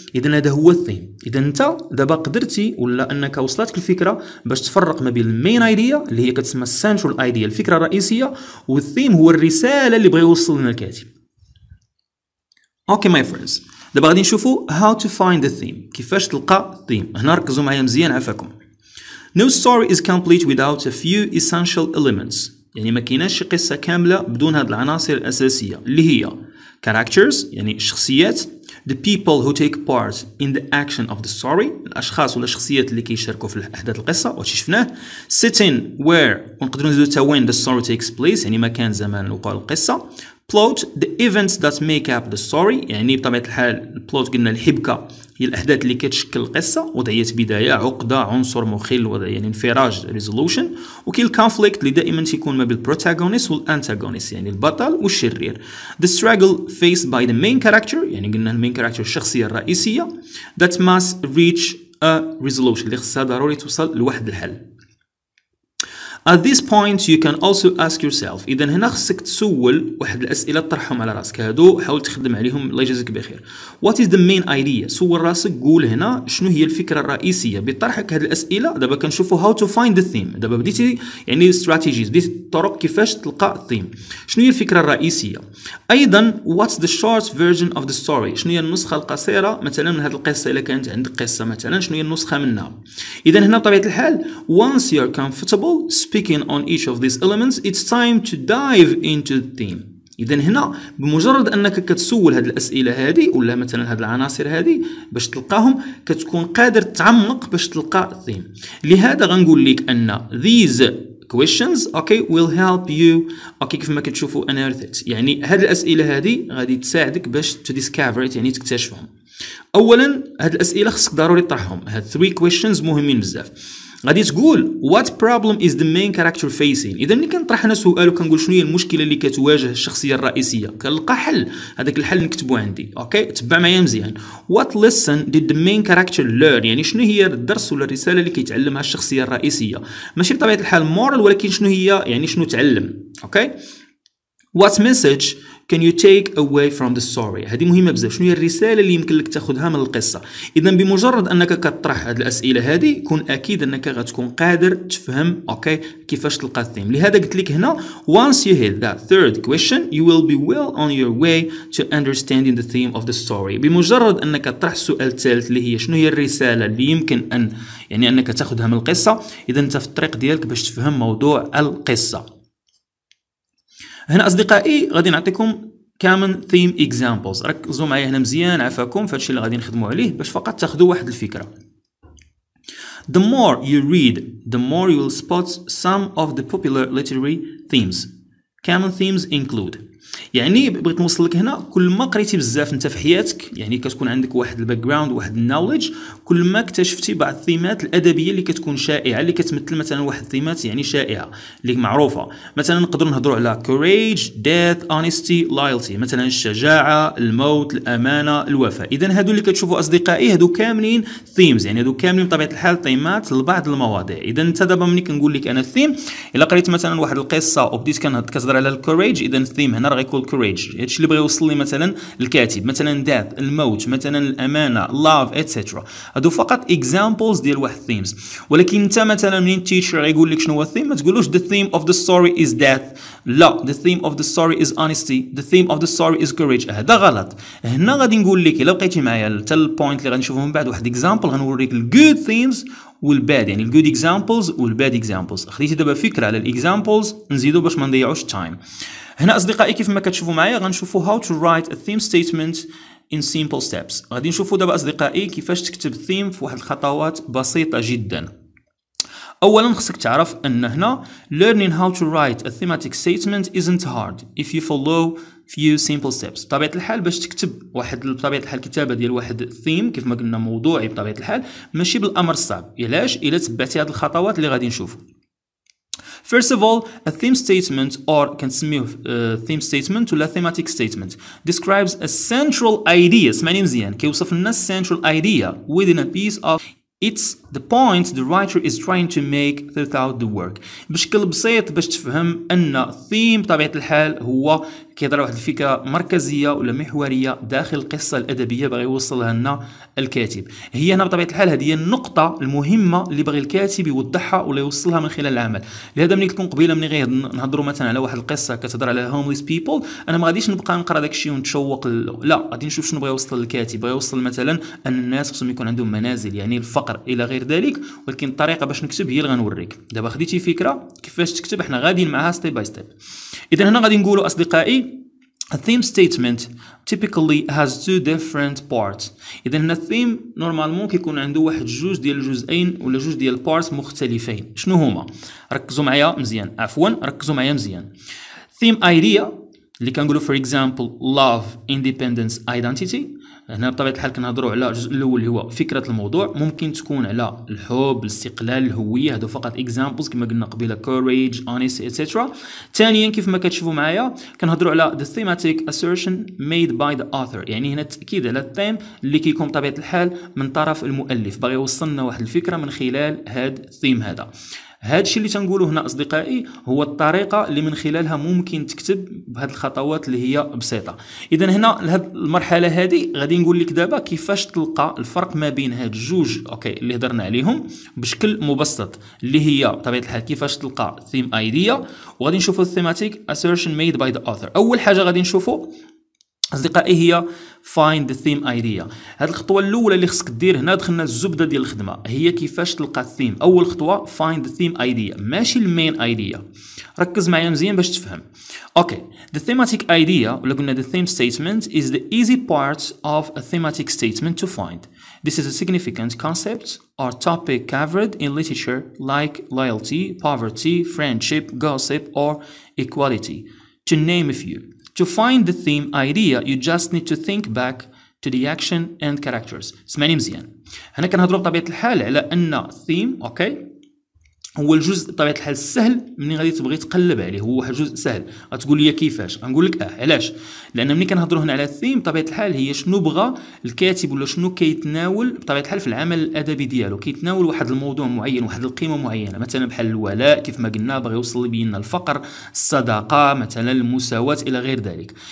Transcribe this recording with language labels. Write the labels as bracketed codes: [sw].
[ar] اذا هذا هو الثيم. اذا انت دابا قدرتي ولا انك وصلتك الفكره باش تفرق ما بين المين ايديا اللي هي كتسمى السنترال ايديا، الفكره الرئيسيه، والثيم هو الرساله اللي بغى يوصل لنا الكاتب. اوكي ماي فريندز، دابا غادي نشوفوا هاو تو فايند ذا ثيم، كيفاش تلقى الثيم. هنا ركزوا معايا مزيان عفاكم. [en] No story is complete without a few essential elements. [ar] يعني ما كايناش شي قصه كامله بدون هاد العناصر الاساسيه اللي هي characters يعني الشخصيات، [en] the people who take part in the action of the story، [ar] الاشخاص ولا الشخصيات اللي كيشاركوا في احداث القصه، واش شفناه، setting where ونقدروا نزيدوا حتى وين [en] the story takes place، [ar] يعني مكان زمان وقوع القصه، [en] plot the events that make up the story، [ar] يعني بطبيعه الحال البلوت قلنا الحبكه هي الاحداث اللي كتشكل القصه، وضعيه بدايه، عقده، عنصر مخل، وضعيه يعني انفراج، ريزولوشن، وكيل كونفليكت اللي دائما تيكون ما بين البروتاغونيست والانتاغونيست، يعني البطل والشرير، ذا ستراجل فيس باي ذا مين كاركتر، يعني قلنا المين كاركتر الشخصيه الرئيسيه، ذات ماس ريتش ا ريزولوشن اللي خصها ضروري توصل لواحد الحل. [en] At this point, you can also ask yourself. [ar] إذن هنا خصك تسول واحد الأسئلة تطرحهم على رأسك هادو حاول تخدم عليهم الله يجازيك بخير. [en] What is the main idea? [ar] سول رأسك قول هنا شنو هي الفكرة الرئيسية بطرحك هاد الأسئلة. دابا كنشوفوا [en] how to find the theme. [ar] دابا بديتي يعني strategies بديتي طرق كيفاش تلقى theme. شنو هي الفكرة الرئيسية؟ أيضا [en] what's the short version of the story؟ [ar] شنو هي النسخة القصيرة مثلا من هاد القصة إذا كانت عندك قصة مثلا شنو هي النسخة منها؟ إذن هنا طبيعة الحال [en] once you're comfortable speaking on each of these elements, it's time to dive into the theme. [ar] إذن هنا بمجرد أنك كتسول هذه الأسئلة هذه ولا مثلا هذه العناصر هذه باش تلقاهم كتكون قادر تعمق باش تلقى theme. لهذا غنقول لك أن [en] these questions okay will help you okay [ar] كيف ما كتشوفوا [en] unearth it. [ar] يعني هذه الأسئلة هذه غادي تساعدك باش [en] to discover it [ar] يعني تكتشفهم. أولا هذه الأسئلة خصك ضروري تطرحهم. هاد 3 questions مهمين بزاف. غادي تقول [en] what problem is the main character facing. [ar] اذا ملي كنطرح انا سؤال وكنقول شنو هي المشكله اللي كتواجه الشخصيه الرئيسيه كنلقى حل هذاك الحل نكتبه عندي. اوكي تبع معايا مزيان. [en] what lesson did the main character learn. [ar] يعني شنو هي الدرس ولا الرساله اللي كيتعلمها الشخصيه الرئيسيه ماشي بطبيعه الحال مورال ولكن شنو هي يعني شنو تعلم. [en] Okay what message can you take away from the story. [ar] هذه مهمه بزاف. شنو هي الرساله اللي يمكن لك تاخذها من القصه. اذا بمجرد انك كتطرح هذه الاسئله هذه كون اكيد انك غتكون قادر تفهم اوكي كيفاش تلقى الثيم. لهذا قلت لك هنا [en] once you hit that third question you will be well on your way to understanding the theme of the story. [ar] بمجرد انك تطرح السؤال الثالث اللي هي شنو هي الرساله اللي يمكن ان يعني انك تاخذها من القصه اذا انت في الطريق ديالك باش تفهم موضوع القصه. هنا أصدقائي غادي نعطيكم [en] common theme examples. [ar] ركزوا معي هنا مزيان عفاكم فهادشي اللي غادي نخدموا عليه باش فقط تاخذوا واحد الفكرة. [en] The more you read the more you will spot some of the popular literary themes. Common themes include. [ar] يعني بغيت نوصل لك هنا كل ما قريتي بزاف انت في حياتك يعني كتكون عندك واحد الباك جراوند واحد النوليدج كل ما اكتشفتي بعض الثيمات الادبيه اللي كتكون شائعه اللي كتمثل مثلا واحد الثيمات يعني شائعه اللي معروفه. مثلا نقدروا نهضروا على كوريج ديث اونستي لويالتي مثلا الشجاعه الموت الامانه الوفاء. اذا هادو اللي كتشوفوا اصدقائي هادو كاملين ثيمز يعني هادو كاملين بطبيعه الحال ثيمات لبعض المواضيع. اذا انت دابا ملي كنقول لك انا الثيم الا قريت مثلا واحد القصه وبديت كنهضر على الكوريج اذا الثيم هنا راه يكون courage. هادشي اللي بغى يوصل لي مثلا الكاتب مثلا death الموت مثلا الامانه love etc. هادو فقط examples ديال واحد themes. ولكن انت مثلا منين teacher غيقول لك شنو هو theme ما تقولوش [en] the theme of the story is death. لا the theme of the story is honesty. the theme of the story is courage. [ar] هذا غلط. هنا غادي نقول لك الا لقيتي معايا حتى البوينت اللي غنشوفهم بعد واحد example غنوريك good themes والباد يعني الجود اكزامبلز والباد اكزامبلز. خديتي دابا فكره على الاكزامبلز نزيدو باش ما نضيعوش تايم. هنا اصدقائي كيف ما كتشوفوا معايا غنشوفوا هاو تو رايت ا ثيم ستيتمنت ان سيمبل ستيبس. غادي نشوفوا دابا اصدقائي كيفاش تكتب ثيم في واحد الخطوات بسيطه جدا. اولا خصك تعرف ان هنا [en] learning how to write a thematic statement isn't hard if you follow few simple steps. [ar] بطبيعة الحال باش تكتب واحد بطبيعة الحال كتابة ديال واحد theme كيف ما قلنا موضوعي بطبيعة الحال ماشي بالامر الصعب. علاش؟ الا تبعتي هاد الخطوات اللي غادي نشوفو. [en] First of all, a theme statement or can [ar] سميه [en] theme statement ولا thematic statement describes a central idea. [ar] سمعني مزيان كيوصف لنا [en] central idea within a piece of It's the point the writer is trying to make throughout the work. [ar] بشكل بسيط باش تفهم ان theme بطبيعة الحال هو كيهضر واحد الفكرة مركزية ولا محورية داخل القصة الأدبية باغي يوصلها لنا الكاتب. هي هنا بطبيعة الحال هذه هي النقطة المهمة اللي باغي الكاتب يوضحها ولا يوصلها من خلال العمل. لهذا ملي تكون قبيلة ملي غير نهضروا مثلا على واحد القصة كتهضر على هومليس بيبول أنا ما غاديش نبقى نقرا داك الشيء ونتشوق لا غادي نشوف شنو باغي يوصل الكاتب. باغي يوصل مثلا أن الناس خصهم يكون عندهم منازل يعني الفقر إلى غير ذلك. ولكن الطريقة باش نكتب هي اللي غنوريك. دابا خديتي فكرة كيفاش تكتب احنا غاديين معاها ستيب باي ستيب. إذا هنا غادي نقولوا أصدقائي [en] A theme statement typically has two different parts. [ar] إذا هنا الثيم نورمالمون كيكون عنده واحد جوج ديال الجزئين ولا جوج ديال البارتس مختلفين. شنو هما؟ ركزوا معايا مزيان، عفوا ركزوا معايا مزيان. [en] Theme idea [ar] اللي كنقولوا [en] for example love, independence, identity. [ar] هنا بطبيعة الحال كنهضروا على الجزء الأول اللي هو فكرة الموضوع. ممكن تكون على الحب، الاستقلال، الهوية. هادو فقط examples كما قلنا قبيلة [en] courage, honesty, etc. [ar] ثانيا كيف ما كتشوفوا معايا كنهضروا على [en] the thematic assertion made by the author. [ar] يعني هنا التأكيد على الثيم اللي كيكون بطبيعة الحال من طرف المؤلف باغي يوصلنا واحد الفكرة من خلال هاد الثيم هذا. هاد الشيء اللي تنقوله هنا أصدقائي هو الطريقة اللي من خلالها ممكن تكتب بهاد الخطوات اللي هي بسيطة. إذن هنا لهاد المرحلة هذه غادي نقول لك دابا كيفاش تلقى الفرق ما بين هاد الجوج أوكي اللي هدرنا عليهم بشكل مبسط، اللي هي طبيعة الحال كيفاش تلقى theme idea، وغادي نشوفوا [en] thematic assertion made by the author. [ar] أول حاجة غادي نشوفه أصدقائي هي [en] find the theme idea. [ar] هاد الخطوة الأولى اللي خصك دير هنا دخلنا الزبدة ديال الخدمة، هي كيفاش تلقى الثيم. أول خطوة [en] find the theme idea [ar] ماشي المين idea، ركز معي مزيان باش تفهم. [en] okay, the thematic idea [ar] ولا قلنا [en] the theme statement is the easy part of a thematic statement to find. This is a significant concept or topic covered in literature like loyalty, poverty, friendship, gossip or equality to name a few. To find the theme idea, you just need to think back to the action and characters. [ar] اسمعني مزيان. هنا كنهضروا بطبيعة الحال على أن theme, okay, هو الجزء بطبيعة الحال السهل مني غادي تبغي تقلب عليه، هو جزء سهل. هتقول لي كيفاش؟ هنقول لك علاش؟ لأن مني كنهضروا هنا على theme بطبيعة الحال هي شنو بغى الكاتب ولا شنو كيتناول بطبيعة الحال في العمل الأدبي دياله، كيتناول واحد الموضوع معين، واحد القيمة معينة، مثلا بحال الولاء كيف ما قلنا، بغي يوصل بينا الفقر، الصداقة مثلا، المساواة إلى غير ذلك.